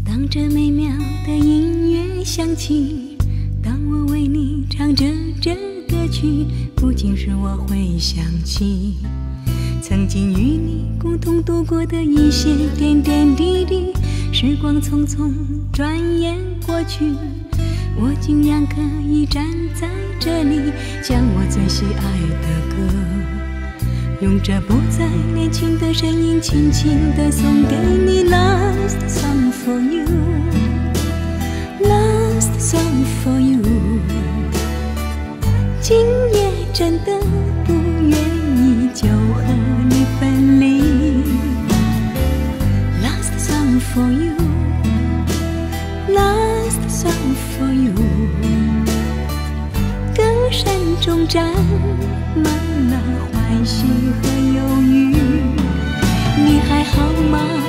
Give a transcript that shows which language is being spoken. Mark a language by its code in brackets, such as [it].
[zh] 这美妙的音乐响起，当我为你唱着这歌曲，不仅是我会想起曾经与你共同度过的一些点点滴滴。时光匆匆转眼过去，我竟然可以站在这里，将我最喜爱的歌用这不再年轻的声音轻轻地送给你。 [en] Last song for you, Last song for you。 [zh] 今夜真的不愿意就和你分离。 [en] Last song for you, Last song for you。 [zh] 歌声中沾满了欢喜和忧郁，你还好吗？